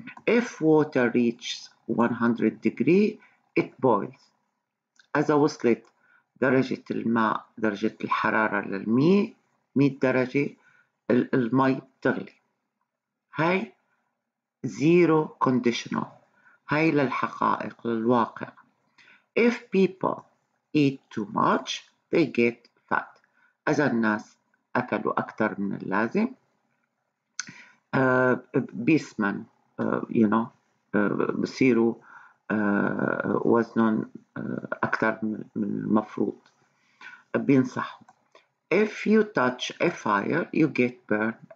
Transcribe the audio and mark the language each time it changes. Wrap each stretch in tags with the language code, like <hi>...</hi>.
<en>if water reaches 100 degree it boils.</en> <ar>إذا وصلت درجة الماء، درجة الحرارة للمية، 100 درجة، المي بتغلي. هاي zero conditional، هاي للحقائق، للواقع.</ar> <en>If people eat too much they get fat.</en> <ar>إذا الناس أكلوا أكثر من اللازم بيسمن،</ar> <en>you know،</en> <ar>بصيروا وزنهم أكثر من المفروض. بينصح</ar> <en>If you touch a fire you get burned.</en>